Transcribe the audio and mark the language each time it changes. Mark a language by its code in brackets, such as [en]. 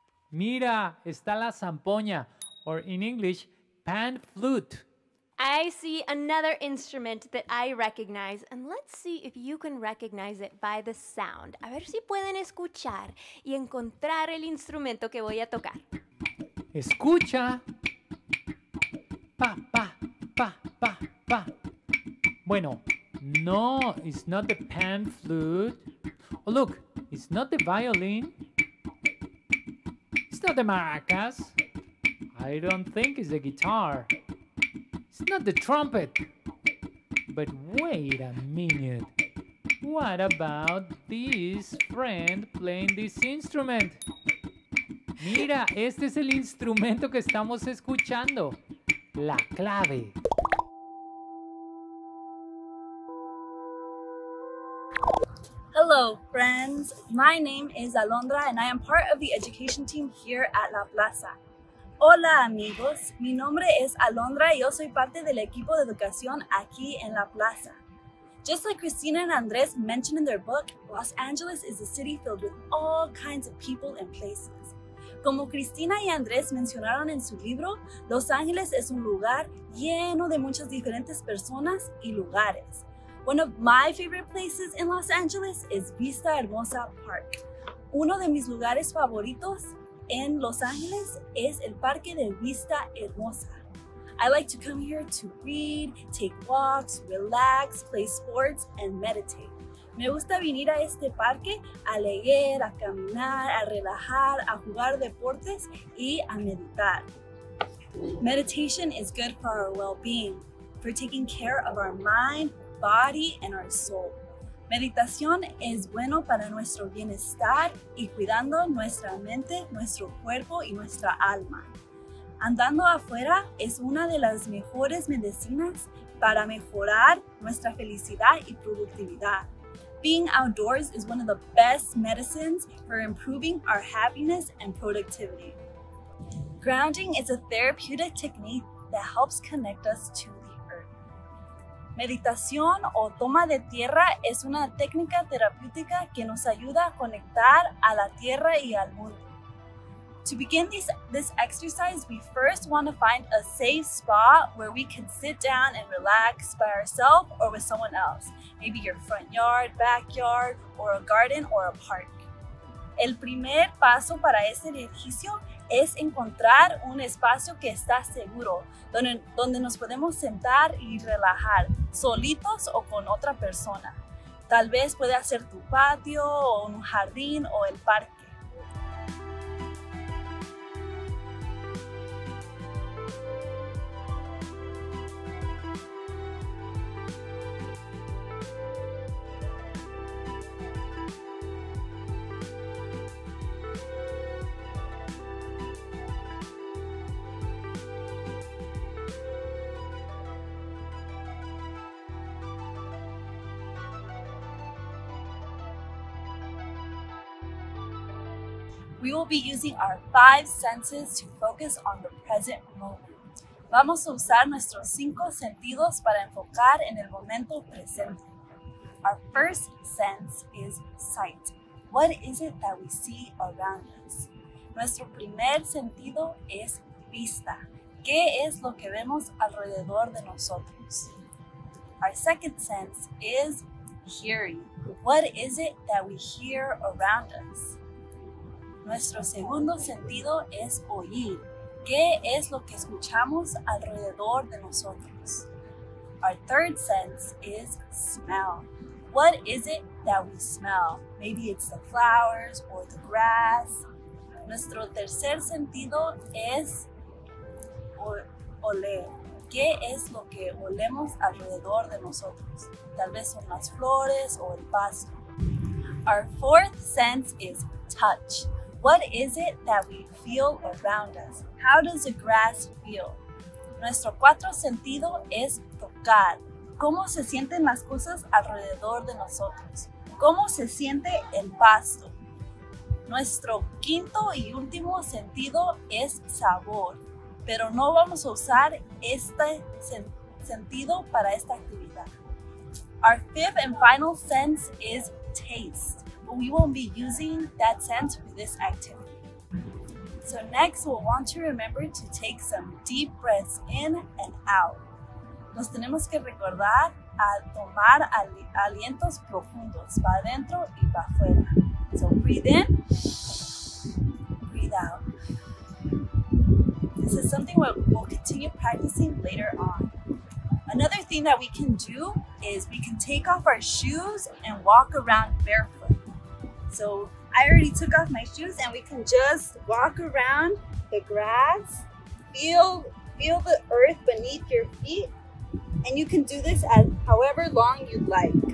[es] Mira, está la zampoña, [en] or in English, pan flute. I see another instrument that I recognize, and let's see if you can recognize it by the sound. [es] A ver si pueden escuchar y encontrar el instrumento que voy a tocar. Escucha. Pa, pa, pa, pa, pa. Bueno, no, [en] it's not the pan flute. Oh, look, it's not the violin. not the maracas. I don't think it's the guitar. It's not the trumpet. But wait a minute. What about this friend playing this instrument? [es] Mira, este es el instrumento que estamos escuchando. La clave. [en] Hello, friends. My name is Alondra and I am part of the education team here at La Plaza. [es] Hola, amigos. Mi nombre es Alondra y yo soy parte del equipo de educación aquí en La Plaza. [en] Just like Christina and Andres mentioned in their book, Los Angeles is a city filled with all kinds of people and places. [es] Como Christina y Andres mencionaron en su libro, Los Angeles es un lugar lleno de muchas diferentes personas y lugares. [en] One of my favorite places in Los Angeles is Vista Hermosa Park. [es] Uno de mis lugares favoritos en Los Angeles es el Parque de Vista Hermosa. [en] I like to come here to read, take walks, relax, play sports, and meditate. [es] Me gusta venir a este parque a leer, a caminar, a relajar, a jugar deportes, y a meditar. [en] Meditation is good for our well-being, for taking care of our mind, body, and our soul. [es] Meditación es bueno para nuestro bienestar y cuidando nuestra mente, nuestro cuerpo, y nuestra alma. Andando afuera es una de las mejores medicinas para mejorar nuestra felicidad y productividad. [en] Being outdoors is one of the best medicines for improving our happiness and productivity. Grounding is a therapeutic technique that helps connect us to the earth. [es] Meditación o toma de tierra es una técnica terapéutica que nos ayuda a conectar a la tierra y al mundo. [en] To begin this exercise, we first want to find a safe spot where we can sit down and relax by ourselves or with someone else. Maybe your front yard, backyard, or a garden or a park. [es] El primer paso para ese ejercicio es encontrar un espacio que está seguro, donde nos podemos sentar y relajar, solitos o con otra persona. Tal vez puede ser tu patio, o un jardín, o el parque. [en] We will be using our five senses to focus on the present moment. [es] Vamos a usar nuestros cinco sentidos para enfocar en el momento presente. [en] Our first sense is sight. What is it that we see around us? [es] Nuestro primer sentido es vista. ¿Qué es lo que vemos alrededor de nosotros? [en] Our second sense is hearing. What is it that we hear around us? [es] Nuestro segundo sentido es oír. ¿Qué es lo que escuchamos alrededor de nosotros? [en] Our third sense is smell. What is it that we smell? Maybe it's the flowers or the grass. [es] Nuestro tercer sentido es oler. ¿Qué es lo que olemos alrededor de nosotros? Tal vez son las flores o el pasto. [en] Our fourth sense is touch. What is it that we feel around us? How does the grass feel? [es] Nuestro cuarto sentido es tocar. ¿Cómo se sienten las cosas alrededor de nosotros? ¿Cómo se siente el pasto? Nuestro quinto y último sentido es sabor, pero no vamos a usar este sentido para esta actividad. [en] Our fifth and final sense is taste. We won't be using that sense for this activity. So next, we'll want to remember to take some deep breaths in and out. [es] Nos tenemos que recordar a tomar alientos profundos para adentro y para afuera. [en] So breathe in, breathe out. This is something we'll continue practicing later on. Another thing that we can do is we can take off our shoes and walk around barefoot. So I already took off my shoes and we can just walk around the grass, feel the earth beneath your feet, and you can do this as however long you'd like.